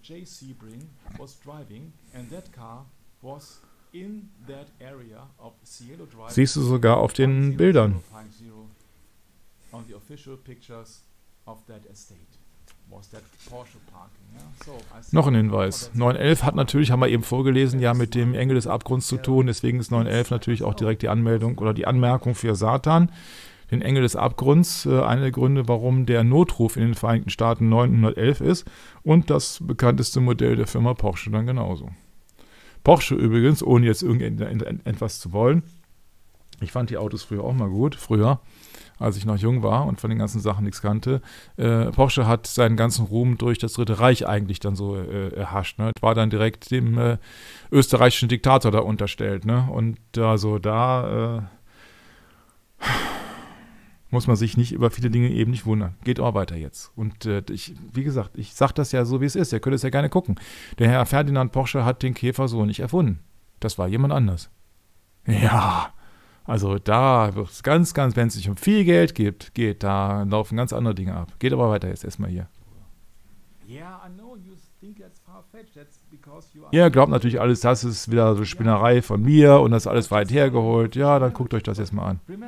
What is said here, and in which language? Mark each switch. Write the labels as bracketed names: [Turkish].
[English] Jay Sebring was driving and that car was in that area of Cielo Drive. [German] Siehst du sogar auf den Bildern. [English] On the official pictures of that estate. Was that Porsche parking, yeah? [German] So, noch ein Hinweis. 911 hat natürlich, haben wir eben vorgelesen, ja, mit dem Engel des Abgrunds zu tun. Deswegen ist 911 natürlich auch direkt die Anmeldung oder die Anmerkung für Satan. Den Engel des Abgrunds, einer der Gründe, warum der Notruf in den Vereinigten Staaten 911 ist. Und das bekannteste Modell der Firma Porsche dann genauso. Porsche übrigens, ohne jetzt irgendetwas zu wollen. Ich fand die Autos früher auch mal gut. Früher, als ich noch jung war und von den ganzen Sachen nichts kannte. Porsche hat seinen ganzen Ruhm durch das Dritte Reich eigentlich dann so erhascht. Ne? War dann direkt dem österreichischen Diktator da unterstellt. Ne? Und also da muss man sich nicht über viele Dinge eben nicht wundern. Geht auch weiter jetzt. Und ich sag das ja so, wie es ist. Ihr könnt es ja gerne gucken. Der Herr Ferdinand Porsche hat den Käfer so nicht erfunden. Das war jemand anders. Ja, also da wird es ganz, ganz, wenn es sich um viel Geld geht, da laufen ganz andere Dinge ab. Geht aber weiter jetzt erstmal hier. [English] Ja, I know you think that's far-fetched. That's because you are. [German] Ihr glaubt natürlich alles, das ist wieder so Spinnerei von mir und das ist alles weit hergeholt. Ja, dann guckt euch das erstmal an.